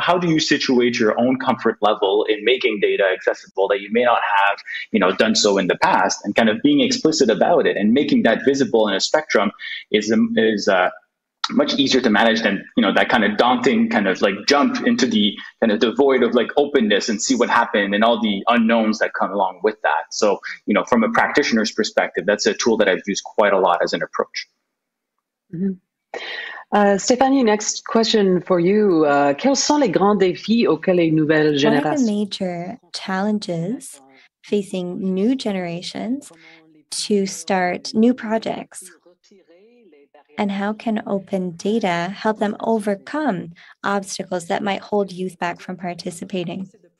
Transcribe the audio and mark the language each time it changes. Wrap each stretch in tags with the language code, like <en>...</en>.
<en>How do you situate your own comfort level in making data accessible that you may not have, you know, done so in the past, and kind of being explicit about it and making that visible in a spectrum is much easier to manage than, you know, that kind of daunting kind of like jump into the kind of the void of like openness and see what happened and all the unknowns that come along with that. So, you know, from a practitioner's perspective, that's a tool that I've used quite a lot as an approach. Mm-hmm. Stéphanie, next question for you.</en> <fr>Quels sont les grands défis auxquels les nouvelles générations?</fr> <en>What are the major challenges facing new generations to start new projects? And how can open data help them overcome obstacles that might hold youth back from participating?</en>